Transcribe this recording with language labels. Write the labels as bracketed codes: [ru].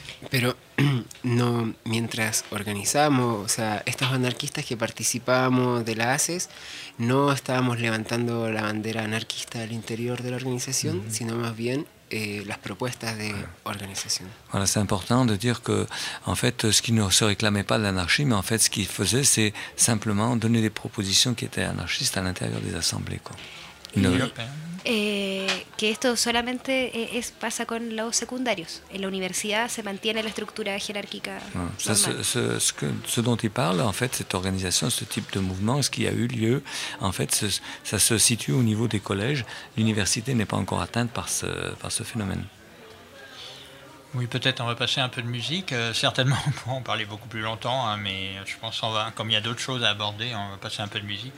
[es] Pero no, mientras organizábamos, o sea, estos anarquistas que participábamos de la ACES, no estábamos levantando la bandera anarquista al interior de la organización, sino más bien las propuestas de organización. [fr] Voilà, c'est important de dire que, en fait, ce qui ne se réclamait pas de l'anarchie, mais en fait, ce qu'ils faisaient, c'est simplement donner des propositions qui étaient anarchistes à l'intérieur des assemblées, quoi. [es] Que esto solamente pasa con los secundarios. En la universidad se mantiene la estructura jerárquica. [fr] Ce dont il parle, en fait, cette organisation, ce type de mouvement, ce qui a eu lieu, en fait, ça se situe au niveau des collèges. L'université n'est pas encore atteinte par ce phénomène. Oui, peut-être on va passer un peu de musique. Certainement, on pourra en parler beaucoup plus longtemps, hein, mais je pense qu'on va, comme il y a d'autres choses à aborder, on va passer un peu de musique.